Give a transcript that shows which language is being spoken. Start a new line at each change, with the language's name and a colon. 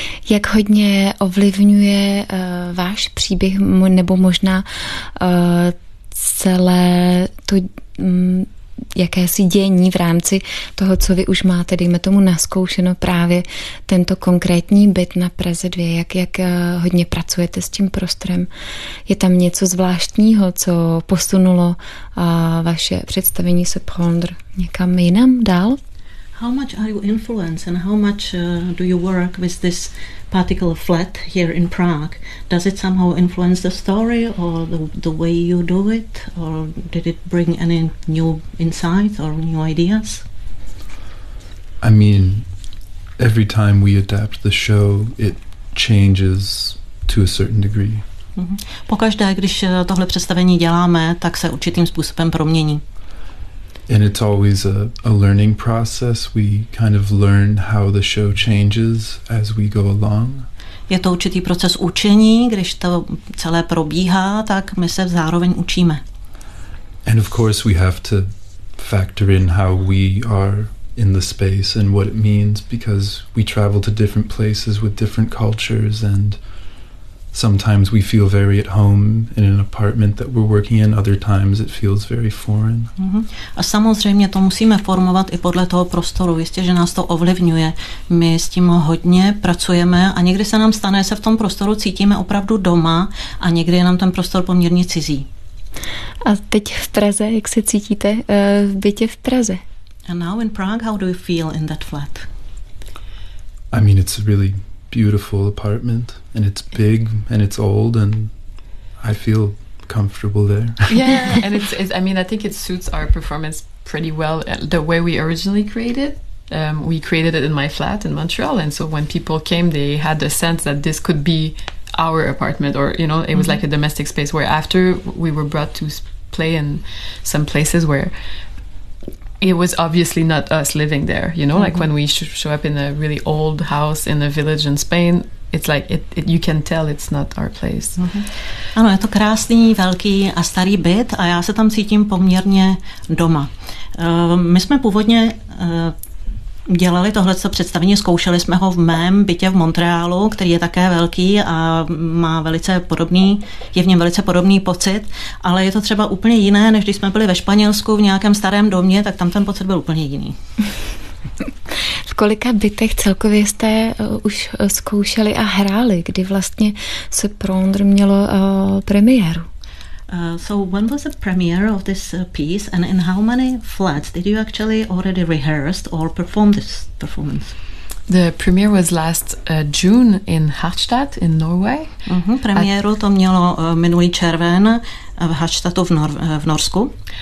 Czech: Jak hodně ovlivňuje váš příběh, nebo možná celé to jakési dění v rámci toho, co vy už máte, dejme tomu, naskoušeno právě tento konkrétní byt na Praze 2, jak hodně pracujete s tím prostorem? Je tam něco zvláštního, co posunulo vaše představení se Prendre někam jinam dál?
English: How much are you influenced and how much do you work with this particular flat here in Prague? Does it somehow influence the story or the way you do it? Or did it bring any new insights or new ideas? I mean, every time we adapt the show, it changes to a certain degree. Mm-hmm.
Czech: Pokaždé, když tohle představení děláme, tak se určitým způsobem promění.
English: And it's always a learning process. We kind of learn how the show changes as we go along.
Czech: Je to určitý proces učení, když to celé probíhá, tak my se zároveň učíme.
English: And of course we have to factor in how we are in the space and what it means, because we travel to different places with different cultures, and sometimes we feel very at home in an apartment that we're working in, other times it feels very foreign. Mm-hmm.
Czech: A samozřejmě to musíme formovat i podle toho prostoru, jistě, že nás to ovlivňuje. My s tím hodně pracujeme a někdy se nám stane, že se v tom prostoru cítíme opravdu doma a někdy je nám ten prostor poměrně cizí. A teď v Praze, jak se cítíte v bytě v Praze?
English: And now in Prague, how do you feel in that flat? I mean, it's really beautiful apartment, and it's big and it's old, and I feel comfortable there. Yeah, and it's I mean, I think it suits our performance pretty well, the way we originally created. We created it in my flat in Montreal, and so when people came, they had the sense that this could be our apartment, or, you know, it was mm-hmm. like a domestic space, where after we were brought to play in some places where it was obviously not us living there, you know, mm-hmm. like when we show up in a really old house in a village in Spain, it's like it you can tell it's not our place. Mm-hmm.
Czech: Ano, je to krásný, velký a starý byt a já se tam cítím poměrně doma. My jsme původně dělali tohle představení, zkoušeli jsme ho v mém bytě v Montrealu, který je také velký a má velice podobný, je v něm velice podobný pocit, ale je to třeba úplně jiné, než když jsme byli ve Španělsku v nějakém starém domě, tak tam ten pocit byl úplně jiný. V kolika bytech celkově jste už zkoušeli a hráli, kdy vlastně se Prendre mělo premiéru?
English: So when was the premiere of this piece, and in how many flats did you actually already rehearsed or perform this performance? The premiere was last June in Hattstedt in Norway. Mm-hmm.
Czech: Premiéru to mělo minulý červen v Hattstedtu v Norsku.